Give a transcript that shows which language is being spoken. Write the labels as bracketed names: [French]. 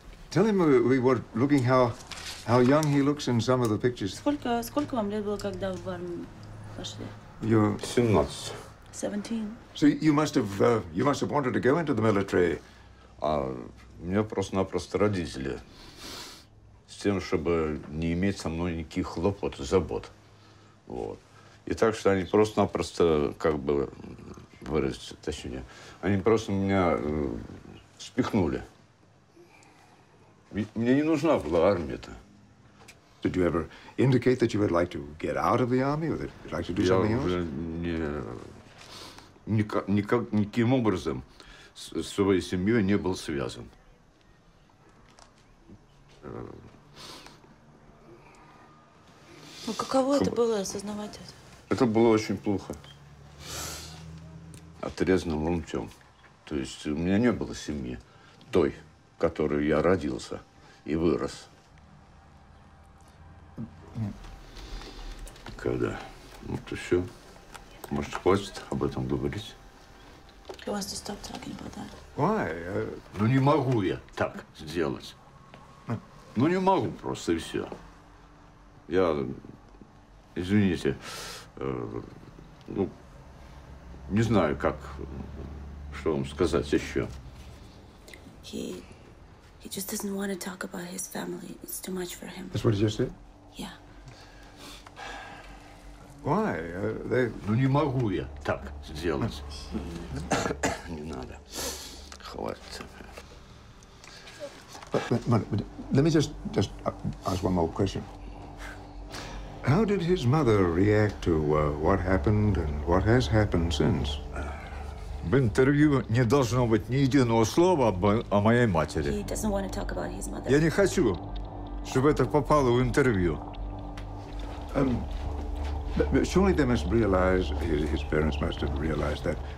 [English] Tell him we were looking how young he looks in some of the pictures. [Russian] Сколько вам лет было, когда в армию пошли? 17. 17. [English] So you must have wanted to go into the military. [Russian] А мне просто-напросто родители с тем, чтобы не иметь со мной никаких хлопот и забот. Вот. И так что они просто-напросто, как бы выразиться, точнее, они просто меня спихнули. Мне не нужна была армия-то. [English] Did you ever indicate that you would like to get out of the army or that you'd like to do something else? [Russian] Я уже никаким образом с своей семьей не был связан. Ну, каково это было, осознавать это? Это было очень плохо. Отрезанным ломтем. То есть у меня не было семьи той, в которой я родился и вырос. Когда? Вот и все. Может, хватит об этом говорить? [English] You must stop talking about that. Why? [Russian] Ну, не могу я так сделать. Ну, не могу просто, и все. Я, извините, не знаю, как, что вам сказать еще. [English] He just doesn't want to talk about his family. It's too much for him. That's what he just said? Yeah. Why? [Russian] Ну, не могу я так сделать. Не надо. Хватит. [English] But let me just ask one more question. How did his mother react to what happened and what has happened since? [Russian] В интервью не должно быть ни единого слова о моей матери. [English] He doesn't want to talk about his mother. [Russian] Я не хочу, чтобы это попало в интервью. [English] Surely they must realize, his parents must have realized that.